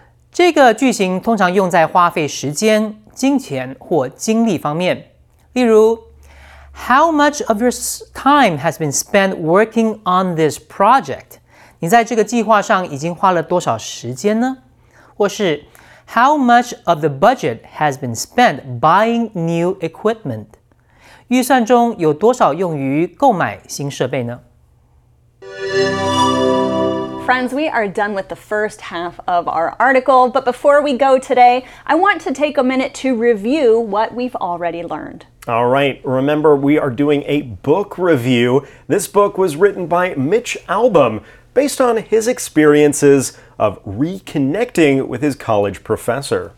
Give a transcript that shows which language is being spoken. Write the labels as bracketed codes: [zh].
[zh] 这个句型通常用在花费时间、金钱或精力方面。例如 [en] ,How much of your time has been spent working on this project? [zh] 你在这个计划上已经花了多少时间呢？或是 [en] How much of the budget has been spent buying new equipment? [zh] 预算中有多少用于购买新设备呢？ [en] Friends, we are done with the first half of our article, but before we go today, I want to take a minute to review what we've already learned. All right, remember we are doing a book review. This book was written by Mitch Albom, based on his experiences of reconnecting with his college professor.